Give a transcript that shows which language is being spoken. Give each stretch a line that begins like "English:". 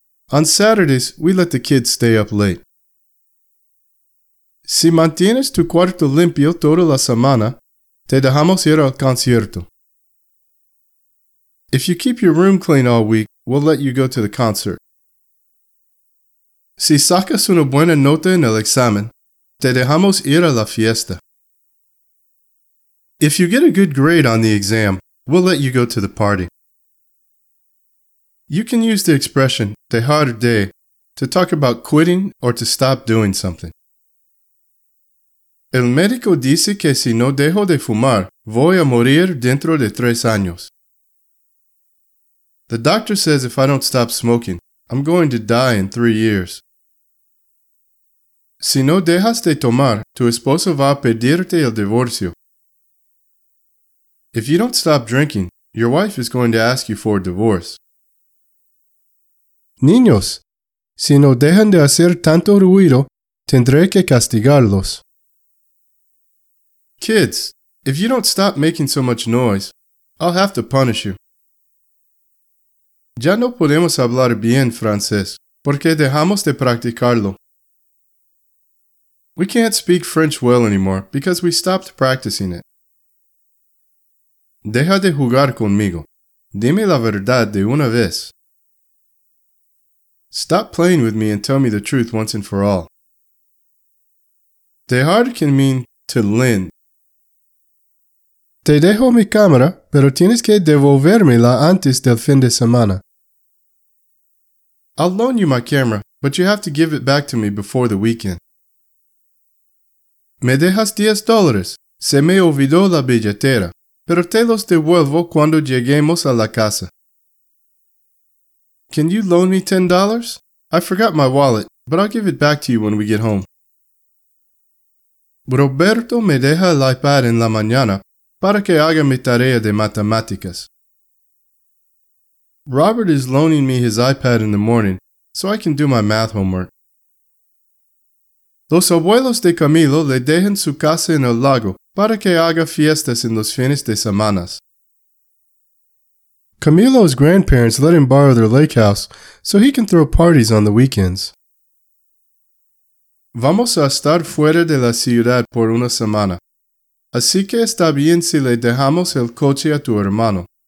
English: On Saturdays, we let the kids stay up late.
Spanish: Si mantienes tu cuarto limpio toda la semana, te dejamos ir al concierto.
English: If you keep your room clean all week, we'll let you go to the concert.
Spanish: Si sacas una buena nota en el examen, te dejamos ir a la fiesta.
English: If you get a good grade on the exam, we'll let you go to the party. You can use the expression dejar de to talk about quitting or to stop doing something.
Spanish: El médico dice que si no dejo de fumar, voy a morir dentro de 3 años.
English: The doctor says if I don't stop smoking, I'm going to die in 3 years.
Spanish: Si no dejas de tomar, tu esposo va a pedirte el divorcio.
English: If you don't stop drinking, your wife is going to ask you for a divorce.
Spanish: Niños, si no dejan de hacer tanto ruido, tendré que castigarlos.
English: Kids, if you don't stop making so much noise, I'll have to punish you.
Spanish: Ya no podemos hablar bien francés, porque dejamos de practicarlo.
English: We can't speak French well anymore, because we stopped practicing it.
Spanish: Deja de jugar conmigo. Dime la verdad de una vez.
English: Stop playing with me and tell me the truth once and for all. Dejar can mean to lend.
Spanish: Te dejo mi cámara, pero tienes que devolvérmela antes del fin de semana.
English: I'll loan you my camera, but you have to give it back to me before the weekend.
Spanish: Me dejas $10. Se me olvidó la billetera, pero te los devuelvo cuando lleguemos a la casa.
English: Can you loan me $10? I forgot my wallet, but I'll give it back to you when we get home.
Spanish: Roberto me deja el iPad en la mañana para que haga mi tarea de matemáticas.
English: Robert is loaning me his iPad in the morning so I can do my math homework.
Spanish: Los abuelos de Camilo le dejan su casa en el lago para que haga fiestas en los fines de semanas.
English: Camilo's grandparents let him borrow their lake house so he can throw parties on the weekends.
Spanish: Vamos a estar fuera de la ciudad por una semana. Así que está bien si le dejamos el coche a tu hermano.